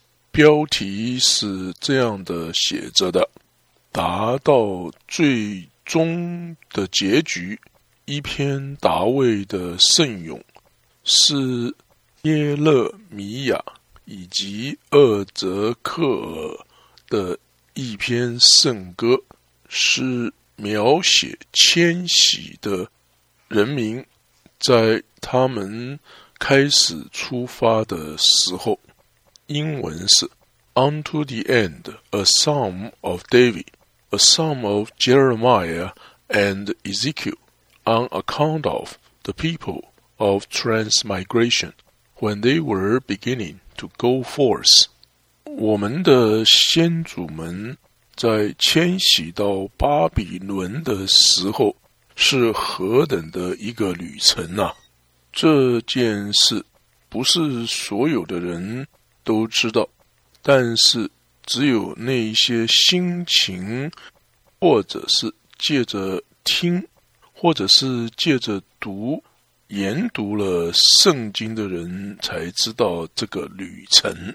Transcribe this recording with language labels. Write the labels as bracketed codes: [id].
[zh] 标题是这样的写着的：达到最终的结局，一篇大卫的圣咏，是耶勒米亚以及厄泽克尔的一篇圣歌，是描写迁徙的人民在他们开始出发的时候。英文是 [en] "Unto the end, a psalm of David, a psalm of Jeremiah and Ezekiel, on account of the people of transmigration, when they were beginning to go forth." [zh] 我们的先祖们在迁徙到巴比伦的时候，是何等的一个旅程啊！这件事不是所有的人都知道，但是只有那一些辛勤，或者是借着听，或者是借着读，研读了圣经的人才知道这个旅程。